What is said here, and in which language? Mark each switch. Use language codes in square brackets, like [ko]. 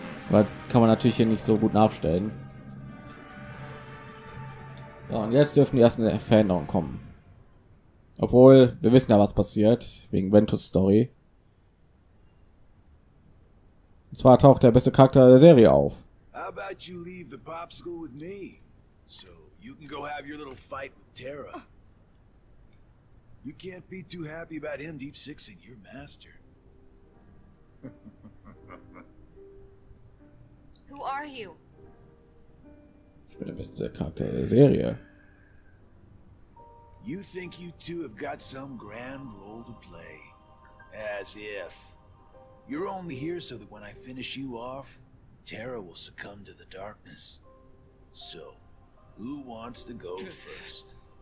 [de] Das kann man natürlich hier nicht so gut nachstellen. So, und jetzt dürfen die ersten Veränderungen kommen. Obwohl, wir wissen ja, was passiert, wegen Ventus' Story. Und zwar taucht der beste Charakter der Serie auf. [en] How about you leave the popsicle with me? So you can go have your little fight with Terra. You can't be too happy about him deep sixing your master. Who are you? [de] Ich bin der beste Charakter der Serie. [en] You think you two have got some grand role to play? As if. You're only here so that when I finish you off, Terra will succumb to the darkness. So, who wants to go first?